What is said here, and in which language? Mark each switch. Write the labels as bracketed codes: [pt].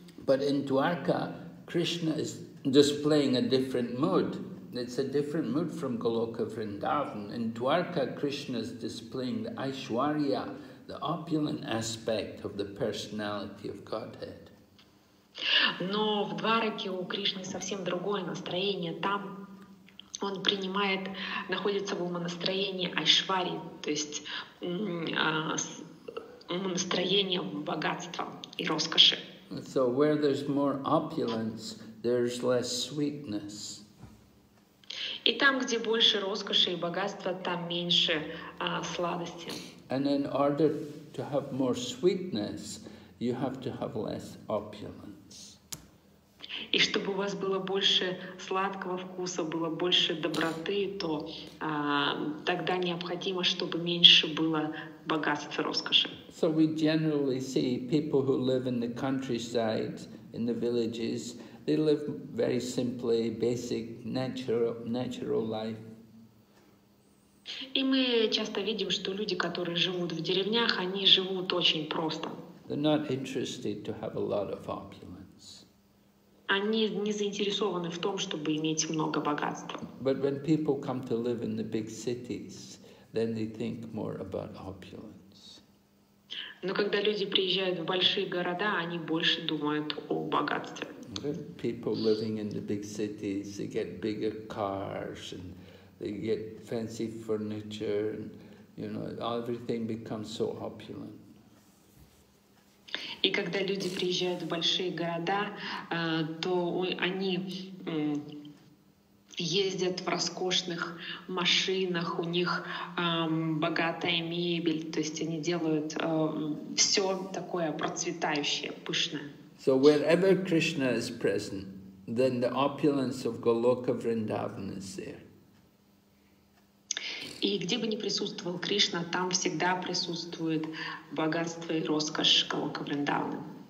[en] But in Dwarka, Krishna is displaying a different mood. It's a different mood from Goloka Vrindavan. In Dwarka, Krishna is displaying the Aishwarya, the opulent aspect of the personality of Godhead. [ru] Но в Двараке у Кришны совсем другое настроение. Там он принимает, находится в умонастроении Айшвари, то есть умонастроение богатства и роскоши. [en] So where there's more opulence, there's less sweetness. [ru] И там, где больше роскоши и богатства, там меньше сладости. [en] And in order to have more sweetness, you have to have less opulence. [ru] И чтобы у вас было больше сладкого вкуса, было больше доброты, то тогда необходимо, чтобы меньше было богатства, роскоши. [en] So we generally see people who live in the countryside, in the villages, they live very simply, basic, natural life. [ru] И мы часто видим, что люди, которые живут в деревнях, они живут очень просто. [en] They're not interested to have a lot of opulence. [ru] Они не заинтересованы в том, чтобы иметь много богатства. [en] But when people come to live in the big cities, then they think more about opulence. [ru] Но когда люди приезжают в большие города, они больше думают о богатстве. [en] When people living in the big cities, they get bigger cars and they get fancy furniture, and, you know, everything becomes so opulent. [ru] И когда люди приезжают в большие города, то они ездят в роскошных машинах, у них богатая мебель, то есть они делают все такое процветающее, пышное. [en] So wherever Krishna is present, then the opulence of Goloka Vrindavan is there. [ru] И где бы ни присутствовал Кришна, там всегда присутствует богатство и роскошь Голока Вриндавана.